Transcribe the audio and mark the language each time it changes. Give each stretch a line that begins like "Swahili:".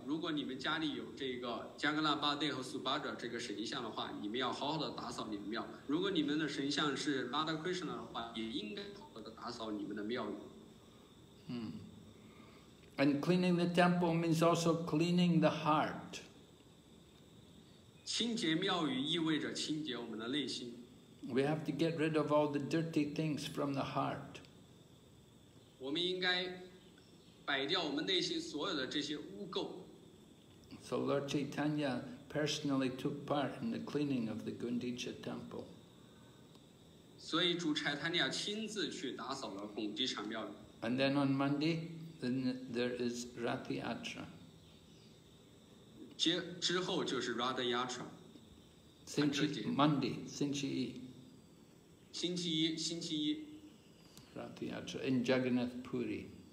Chinese: 如果你们家里有这个加格纳巴德和苏巴扎这个神像的话，你们要好好的打扫你们庙。如果你们的神像是拉达克什纳的话，也应该好好的打扫你们的庙宇。嗯。
English: And cleaning the temple means also cleaning the heart.
Chinese: 清洁庙宇意味着清洁我们的内心。
English: We have to get rid of all the dirty things from the heart.
Chinese: 我们应该摆掉我们内心所有的这些污垢。
English: So Lord Chaitanya personally took part in the cleaning of the Gundicha temple.
Chinese: 所以主柴坦尼亚亲自去打扫了拱地禅庙宇。
English: And then on Monday,Then there is Rati Yatra.
Chinese: 之后就是 Rati Yatra.
English: Monday,
Chinese: 星期一。星期一，星期一。
English: Rati Yatra in Jagannath Puri.